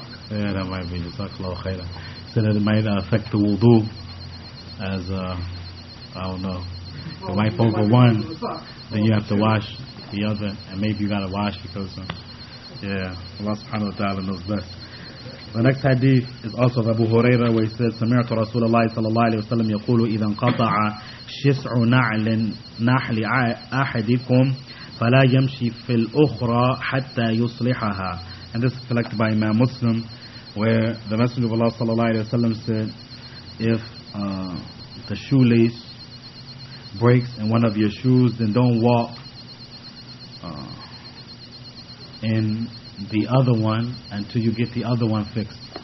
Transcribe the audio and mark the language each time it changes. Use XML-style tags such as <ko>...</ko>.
<en>Yeah, that might be just a little khayra. So that it might affect the wudu, as I don't know. You wipe over one, then you have to wash the other, and maybe you gotta wash because yeah, Allah subhanahu wa ta'ala knows best. The next hadith is also of Abu Huraira, where he says,</en> <ar>سَمِعْتُ رَسُولَ اللَّهِ صَلَى اللَّهِ عَلَيْهِ وَسَلَّمَ يَقُولُ إِذَا انْقَطَعَ شِسْعُ نَعْلٍ نَحْلِ أَحَدِكُمْ فَلَا يَمْشِي فِي الْأُخْرَى حَتَّى يُصْلِحَهَا.</ar> <en>And this is collected by Imam Muslim, where the Messenger of Allah</en> <ar>صلى الله عليه وسلم</ar> <en>said, if the shoelace breaks in one of your shoes, then don't walk in the other one until you get the other one fixed.</en>